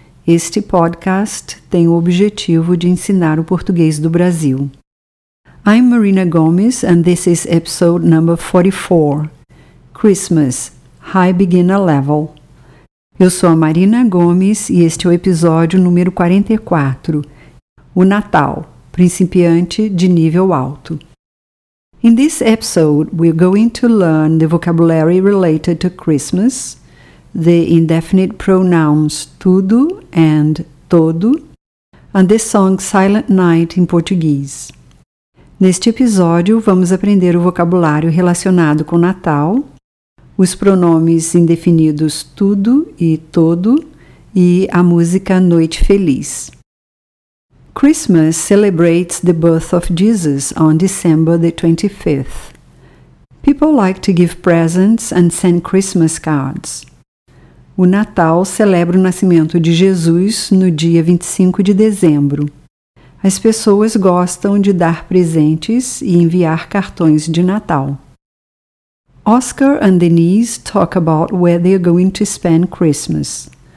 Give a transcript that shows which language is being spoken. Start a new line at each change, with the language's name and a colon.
Portuguese: Este podcast tem o objetivo de ensinar o português do Brasil.
English: I'm Marina Gomes and this is episode number 44. Christmas, High Beginner Level.
Portuguese: Eu sou a Marina Gomes e este é o episódio número 44. O Natal. Principiante de nível alto.
English: In this episode, we're going to learn the vocabulary related to Christmas, the indefinite pronouns tudo and todo, and the song Silent Night in Portuguese.
Portuguese: Neste episódio, vamos aprender o vocabulário relacionado com Natal, os pronomes indefinidos tudo e todo, e a música Noite Feliz.
English: Christmas celebrates the birth of Jesus on December the 25th. People like to give presents and send Christmas cards.
Portuguese: O Natal celebra o nascimento de Jesus no dia 25 de dezembro. As pessoas gostam de dar presentes e enviar cartões de Natal.
English: Oscar and Denise talk about where they are going to spend Christmas.